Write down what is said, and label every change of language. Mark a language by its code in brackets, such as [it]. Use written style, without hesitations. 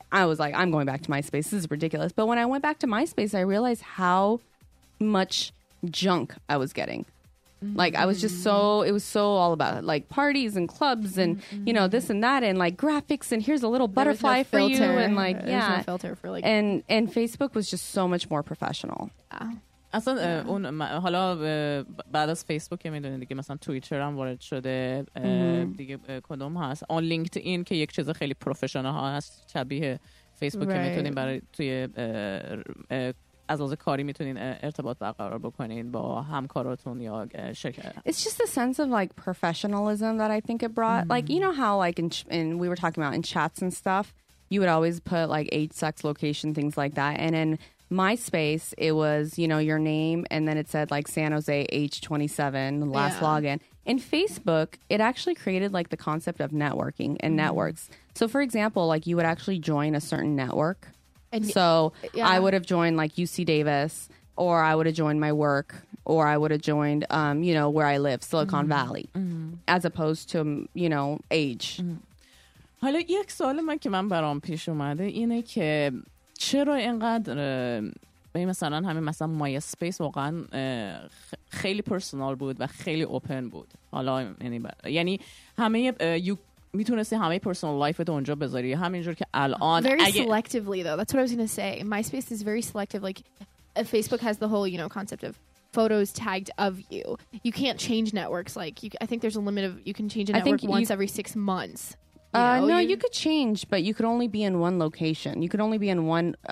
[en] I was like, I'm going back to MySpace. This is ridiculous. But when I went back to MySpace, I realized how much junk I was getting. Like I was just so it was so all about like parties and clubs and you know this and that and like graphics and here's a little butterfly for you and like yeah no filter for like and Facebook was just so much more professional. [fa] اصلا اون حالا بعد از فیسبوک میدونید دیگه مثلا توییتر هم وارد شده دیگه کدوم هست اون لینکدین که یک چیز خیلی پروفشنال هست شبیه فیسبوک میتونید برای توی as a kari mitunin ertabat barqarar bokonin ba hamkaratun ya shirkat. [en] It's just the sense of like professionalism that I think it brought. Like you know how like in we were talking about in chats and stuff, you would always put like age, sex, location, things like that. And in MySpace, it was, you know, your name and then it said like San Jose, age 27, last login. In Facebook, it actually created like the concept of networking and networks. So for example, like you would actually join a certain network. I would have joined like UC Davis or I would have joined my work or I would have joined, you know, where I live, Silicon Valley, as opposed to, you know, age. [fa] حالا یک سوال من که من برام پیش اومده اینه که چرا اینقدر مثلا همین مثلا MySpace واقعا خیلی پرسونال بود و خیلی اوپن بود. حالا یعنی همه میتونستی همه پرسونال لایفت اونجا بذاری همینجور که الان [en] very selectively though that's what I was gonna say MySpace is very selective like Facebook has the whole you know concept of photos tagged of you you can't change networks like you, I think there's a limit of you can change a network once every 6 months you could change but you could only be in one location you could only be in one